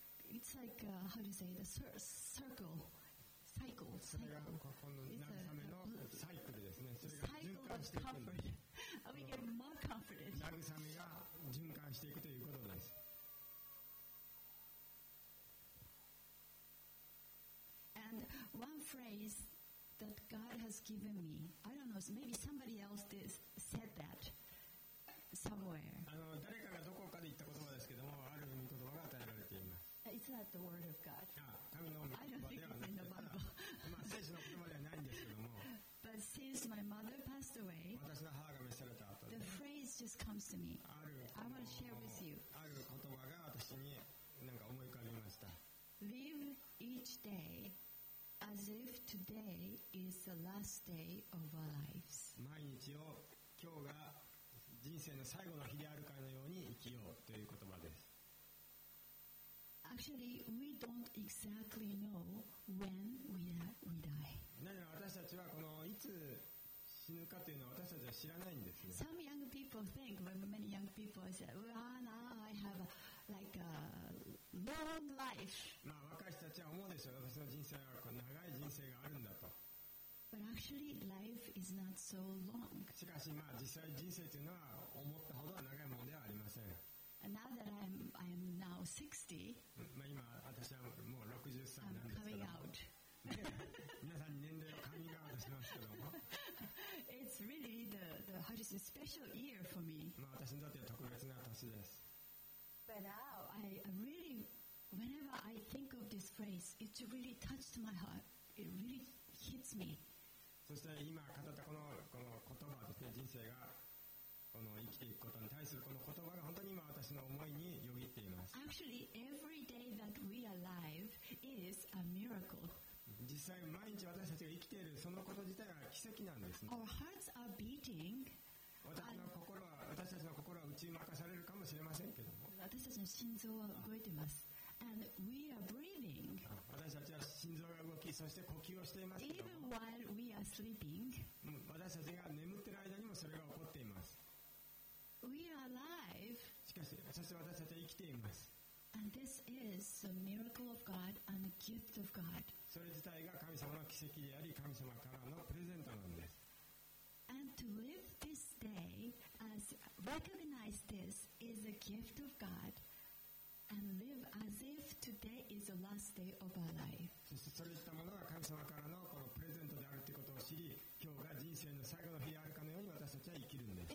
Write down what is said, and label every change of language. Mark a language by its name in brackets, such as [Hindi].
[English] It's like how do you say the circle, cycle. [Japanese] それがこの慰めのサイクルですね。それが循環していくんです。 [English] We get more confident. [Japanese] 慰めが循環していくということです。 [English] And one phrase that God has given me. I don't know. Maybe somebody else did said that. [Japanese] 誰かがどこかで言った言葉ですけども、ある言葉が与えられています。 [English] It's not the word of God. [Japanese] 神の御言葉ではなくて、まあ、聖書の言葉ではないんですけども。 [English] But since my mother passed away, [Japanese] 私の母が召された後で、 [English] the phrase just comes to me. I want to share with you. [Japanese] ある言葉が私に何か思い浮かびました。 [English] Live each day as if today is the last day of our lives. [Japanese] 毎日を今日が人生の最後の日であるかのように生きようという言葉です。 [English] Actually, we don't exactly know when we die. [Japanese] 何なら私たちはこのいつ死ぬかというのは私たちは知らないんですね。 [English] Some young people think, many young people say, well, now I have like a long life. [Japanese] まあ若い人たちは思うでしょう。私の人生はこう長い人生があるんだと。 [English] But actually, life is not so long. [Japanese] しかし、まあ、実際人生というのは思ったほど長いものではありません。 [English] And now that I'm now 60, [Japanese] まあ今私はもう60歳なんですけど。 [English] I'm coming out. [Japanese] 皆さんに年齢をカミングアウトしますけども。 [English] It's really the hardest special year for me. [Japanese] まあ私にとっては特別な年です。 [English] But now, I really, whenever I think of this phrase, it really touched my heart. It really hits me. [Japanese] そして今語ったこの言葉ですね、人生がこの生きていくことに対するこの言葉が本当に今私の思いによぎっています。 [English] Actually, every day that we are alive is a miracle. [Japanese] 実際毎日私たちが生きているそのこと自体は奇跡なんですね。 [English] Our hearts are beating. [Japanese] 私たちの心は打ち負かされるかもしれませんけども。私たちの心臓は動いています。 [English] And we are breathing. [Japanese] 私たちは心臓が動き、そして呼吸をしていますけども。 [English] Even while we are sleeping, [Japanese] 私たちが眠っている間にもそれが起こっています。 [English] We are alive. [Japanese] しかし、そして私たちは生きています。 [English] And this is the miracle of God and the gift of God. [Japanese] それ自体が神様の奇跡であり、神様からのプレゼントなんです。 [English] And to live this day as recognize this is a gift of God. And live as if today is the last day of our life. [Japanese] そしてそれしたものが神様からのこのプレゼントであるということを知り、今日が人生の最後の日であるかのように私たちは生きるんです。